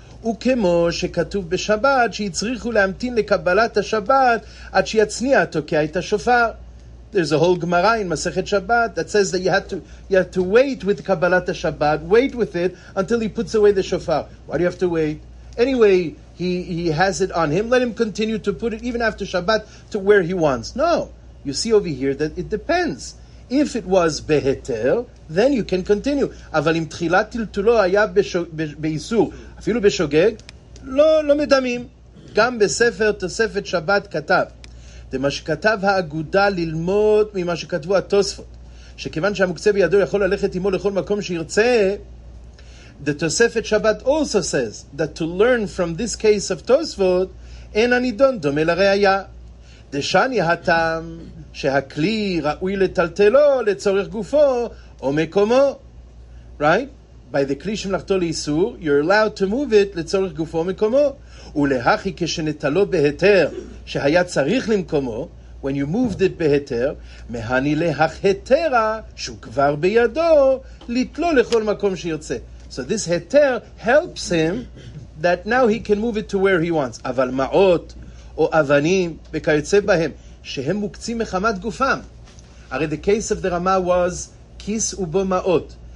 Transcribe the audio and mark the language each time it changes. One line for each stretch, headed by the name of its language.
Hebrew: וכמו שכתוב בשבת, שיצריכו להמתין לקבלת השבת עד שיצניע, תוקע את השופר.
English: There's a whole Gemara in Masechet Shabbat that says that you have to wait with Kabbalat HaShabbat, wait with it until he puts away the shofar. Why do you have to wait? Anyway, he has it on him. Let him continue to put it even after Shabbat to where he wants. No. You see over here that it depends. If it was beheter, then you can continue.
Hebrew: אבל אם תחילת טלטולו היה באיסור, אפילו בשוגג, לא מדמים. גם בספר תוספת שבת כתב, מה שכתב האגודה ללמוד ממה שכתבו התוספות, שכיוון שהמוקצה בידו יכול ללכת עמו לכל מקום שירצה,
English: the תוספת שבת also says that to learn from this case of
Hebrew: תוספות, אין הנידון דומה לראיה. דשני הטעם שהכלי ראוי לטלטלו לצורך גופו או מקומו.
English: Right? By the כלי שמלאכתו לאיסור, you're allowed to move it לצורך גופו או מקומו.
Hebrew: ולהכי כשנטלו בהיתר שהיה צריך למקומו,
English: when you moved it
Hebrew: בהיתר, מהני להך היתרה שהוא כבר בידו לתלו לכל מקום שירצה.
English: So this היתר helps him that now he can move it to where he wants.
Hebrew: אבל מעות או אבנים וכיוצא בהם שהם מוקצים מחמת גופם.
English: הרי the case of the Rama was
Hebrew: כיס ובו מעות.